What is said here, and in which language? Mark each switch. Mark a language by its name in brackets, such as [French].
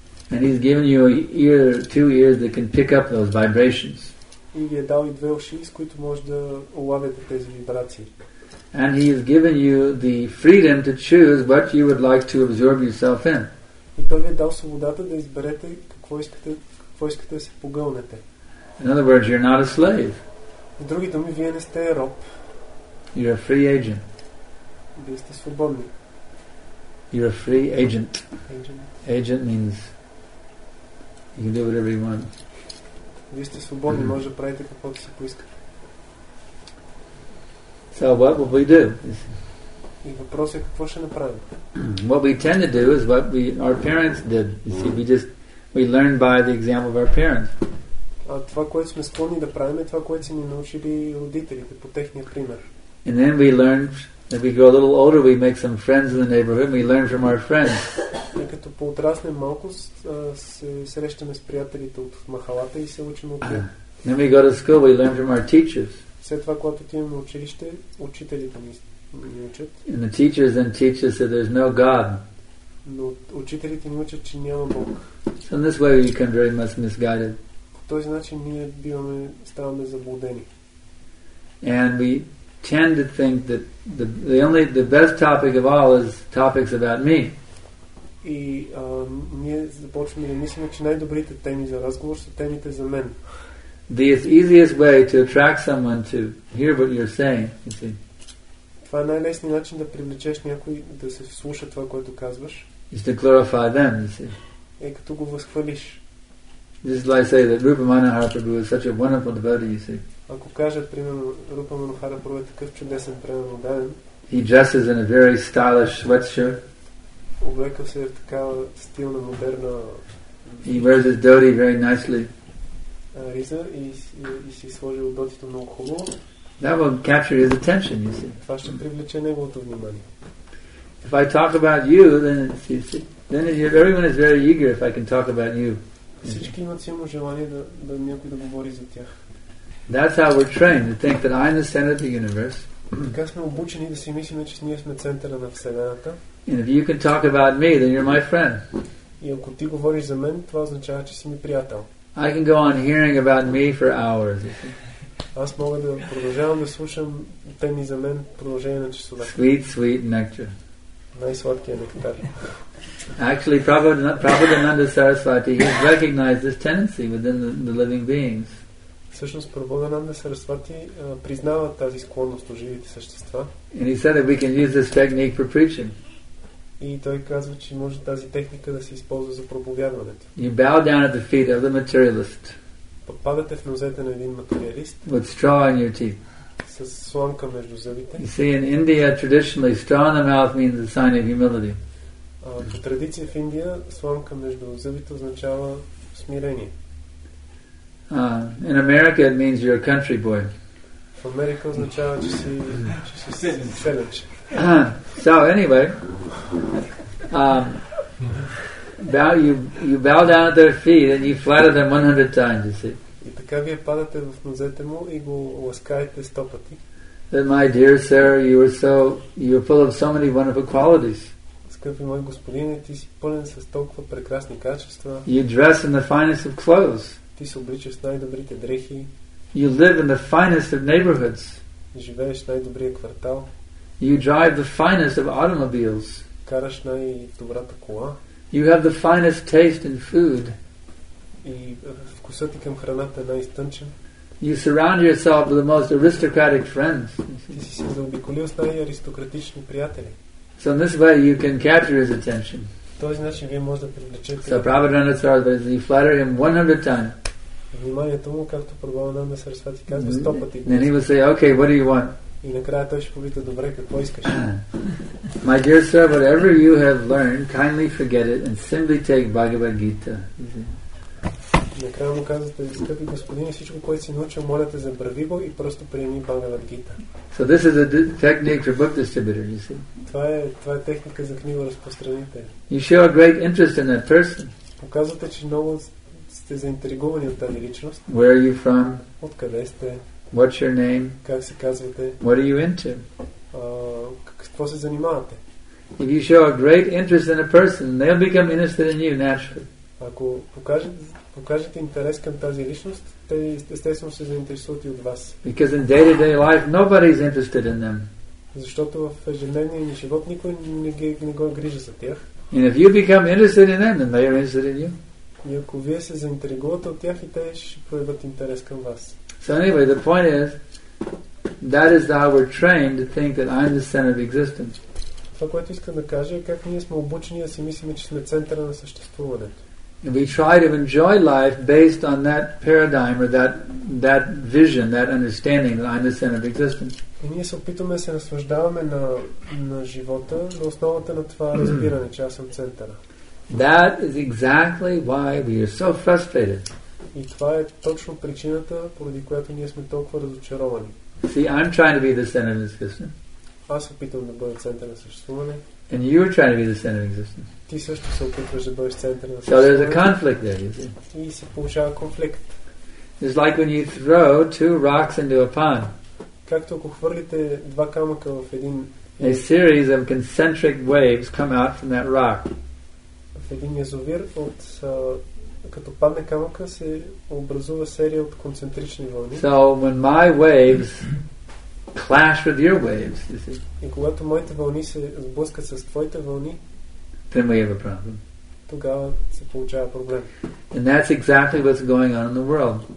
[English] And He's given you two ears that can pick up those vibrations. [Bulgarian] И ви е дал и две уши, с които може да улавяте тези вибрации. [English] And he has given you the freedom to choose what you would like to absorb yourself in. [Bulgarian] И той ви е дал свободата да изберете какво искате да се погълнете. [English] In other words, you're not a slave. [Bulgarian] В други думи, вие не сте роб. [English] You're a free agent. [Bulgarian] Вие сте свободни. [English] You're a free agent. Agent means you can do whatever you want. [Bulgarian] Вие сте свободни, може да правите каквото си поискате. [English] So what will we do? [Bulgarian] И въпросът е какво ще направим? [English] What we tend to do is what our parents did. You see, we learn by the example of our parents. [Bulgarian] А това, което сме склонни да правим, е това, което са ни научили родителите по техния пример. [English] And then we learn, as we grow a little older, we make some friends in the neighborhood, and we learn from our friends. [Bulgarian] И като поотраснем малко, се срещаме с приятелите от махалата и се учим от тях. [English] Then we go to school, we learn from our teachers. [Bulgarian] След това, когато отиваме училище, учителите ни учат. [English] And the teachers then teach us that there's no God. [Bulgarian] Но учителите ни учат, че няма Бог. [English] So in this way we become very much misguided. [Bulgarian] По този начин ние биваме, ставаме заблудени. [English] And we tend to think that the best topic of all is topics about me. [Bulgarian] И ние започваме да мислим, че най-добрите теми за разговор са темите за мен. [English] The easiest way to attract someone to hear what you're saying, you see. [Bulgarian] Това е най-лесният начин да привлечеш някой да се слуша това, което казваш. [English] Is to glorify them, you see. [Bulgarian] Е като го възхвалиш. [English] This is like say that Rupa Mahaprabhu is such a wonderful devotee, you see. [Bulgarian] Ако кажат, примерно, Рупа Манохарапрабху е такъв чудесен преподаватен. [English] He dresses in a very stylish sweatshirt. [Bulgarian] Облекал се в такава стилна, модерна. [English] He wears his dhoti very nicely. [Bulgarian] Риза и си сложил дотито много хубаво. [English] That will capture his attention, you see. [Bulgarian] Това ще привлече неговото внимание. [English] If I talk about you, then everyone is very eager if I can talk about you. [Bulgarian] Всички имат само желание да някой да говори за тях. [English] That's how we're trained to think that I'm the center of the universe. [Bulgarian] Така сме обучени да си мислим, че ние сме центъра на вселената. [English] And if you can talk about me, then you're my friend. [Bulgarian] И ако ти говориш за мен, това означава, че си ми приятел. [English] I can go on hearing about me for hours. [Bulgarian] Аз мога да продължавам да слушам теми за мен продължение на часове. [English] Sweet, sweet nectar. [Bulgarian] Най-сладкият нектар. [English] Actually, Prabhupada Sarasvati, he recognized this tendency within the living beings. [Bulgarian] Всъщност Прабхуданандана Сарасвати признава тази склонност у живите същества. [English] And he said that we can use this technique for preaching. [Bulgarian] И той казва, че може тази техника да се използва за проповядването. [English] You bow down at the feet of the materialist. [Bulgarian] Падате в нозете на един материалист. [English] With straw in your teeth. [Bulgarian] С слонка между зъбите. [English] You see, in India, traditionally, straw in the mouth means a sign of humility. [Bulgarian] По традиция в Индия, слонка между зъбите означава смирение. [English] In America it means you're a country boy. [Bulgarian] В Америка означава, че си селяч. [English] So anyway, you bow down at their feet and you flatter them 100 times, you see. [Bulgarian] И така вие падате в нозете му и го ласкаете 100 пъти. [English] That my dear sir, you're full of so many wonderful qualities. [Bulgarian] Скъпи мой господине, ти си пълен с толкова прекрасни качества. [English] You dress in the finest of clothes. [Bulgarian] Ти се обличаш с най-добрите дрехи. [English] You live in the finest of neighborhoods. [Bulgarian] Живееш в най-добрия квартал. [English] You drive the finest of automobiles. [Bulgarian] Караш най-добрата кола. [English] You have the finest taste in food. [Bulgarian] И вкусът ти към храната е най-изтънчен. [English] You surround yourself with the most aristocratic friends. [Bulgarian] Ти си се заобиколил с най-аристократични приятели. [English] So in this way you can capture his attention. [Bulgarian] Този начин вие може да привлечете. [English] So Prabhupada Sarasvati, you flatter him 100 times. [Bulgarian] Вниманието му, както Прабхуданандана Сарасвати казва, 100 пъти. [English] Then he will say, okay, what do you want? [Bulgarian] И накрая той ще попита, добре, какво искаш? [English] My dear sir, whatever you have learned, kindly forget it and simply take Bhagavad Gita. [Bulgarian] Накрая му казвате, скъпи господине, всичко, което си научил, моля те, забрави го и просто приеми Бхагавад Гита. [English] So this is a technique for book distributor, you see. [Bulgarian] Това е техника за книга разпространител. [English] You show a great interest in that person. [Bulgarian] Показвате, че много сте заинтригувани от тази личност. [English] Where are you from? [Bulgarian] Откъде сте? [English] What's your name? [Bulgarian] Как се казвате? [English] What are you into? [Bulgarian] Какво се занимавате? [English] If you show a great interest in a person, they'll become interested in you naturally. [Bulgarian] Ако покажете интерес към тази личност, те естествено се заинтересуват и от вас. [English] Because in day-to-day life, nobody is interested in them. [Bulgarian] Защото в ежедневния ни живот никой не го грижа за тях. [English] And if you become interested in them, then they are interested in you. [Bulgarian] И ако вие се заинтересувате от тях, и те ще проявят интерес към вас. [English] So anyway, the point is, that is how we're trained to think that I'm the center of existence. [Bulgarian] Това, което искам да кажа, е как ние сме обучени да си мислим, че сме центъра на съществуването. [English] And we try to enjoy life based on that paradigm or that vision, that understanding that I'm the center of existence. [Bulgarian] И ние се опитваме да се наслаждаваме на живота на основата на това разбиране, че аз съм центъра. [English] That is exactly why we are so frustrated. [Bulgarian] И това е точно причината, поради която ние сме толкова разочаровани. [English] See, I'm trying to be the center of existence. [Bulgarian] Аз опитвам да бъда център на съществуване. [English] And you are trying to be the center of existence. [Bulgarian] Ти също се опитваш да бъдеш център на съществуване. [English] So there's a conflict there, you see. [Bulgarian] И се получава конфликт. [English] It's like when you throw two rocks into a pond. [Bulgarian] както ако хвърлите два камъка в един [English] A series of concentric waves come out from that rock. [Bulgarian] В един язовир от като падне камъка се образува серия от концентрични вълни. [English] So when my waves clash with your waves, you see. [Bulgarian] И когато моите вълни се сблъскат с твоите вълни, [English] then we have a problem. [Bulgarian] Тогава се получава проблем. [English] And that's exactly what's going on in the world.